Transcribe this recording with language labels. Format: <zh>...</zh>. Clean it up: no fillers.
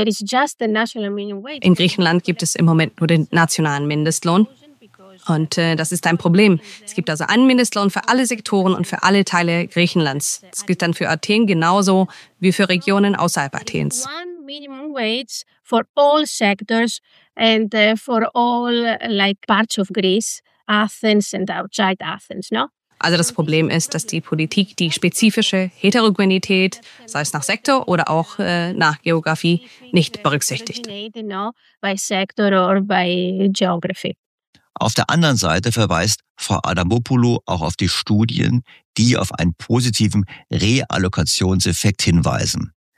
<de>In Griechenland gibt es im Moment nur den nationalen Mindestlohn. Und das ist ein Problem. Es gibt also einen Mindestlohn für alle Sektoren und für alle Teile Griechenlands. Das gilt dann für Athen genauso wie für Regionen außerhalb Athens.</de> <en>Minimum wage for all sectors and for all like parts of Greece, Athens and outside Athens, no?</en> <de>Also das Problem ist, dass die Politik die spezifische Heterogenität, sei es nach Sektor oder auch nach Geografie, nicht berücksichtigt.</de> <en>By sector or by geography.</en> <de>Auf der anderen Seite verweist Frau Adamopoulou auch auf die Studien, die auf einen positiven Reallokationseffekt hinweisen.</de>